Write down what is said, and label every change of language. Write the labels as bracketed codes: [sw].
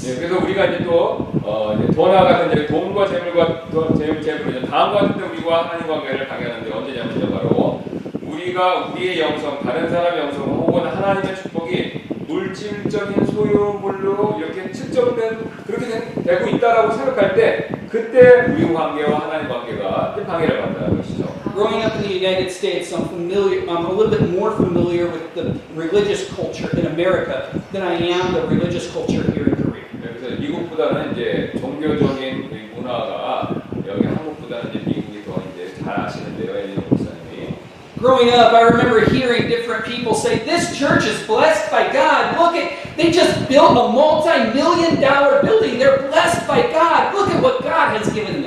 [ko] 예, 그래서 우리가 이제 또 이제 돈과 같은 이제 돈과 재물과 재물 이제 다음과 같은 우리와 하나님 관계를 강해하는데 언제냐면 바로 우리가 우리의 영성, 다른 사람의 영성 혹은 하나님의 축복이 물질적인 소유물로 이렇게 측정된 그렇게 되고 있다라고 생각할 때 그때 우리 관계와 하나님 관계가 방해를 받는 것이죠. [en] Growing up in the United States, I'm a little bit more familiar with the religious culture in America than I am the religious culture here in Korea. [ko] 그래서 미국보다는 이제 종교적인 문화가 여기 한국보다는 이제 미국이 더 이제 잘 아시는데요, 이제 목사님이. [en] Growing up, I remember hearing different people say, "This church is blessed by God. Look at they just built a multi-million-dollar building. They're blessed by God. Look at what God has given."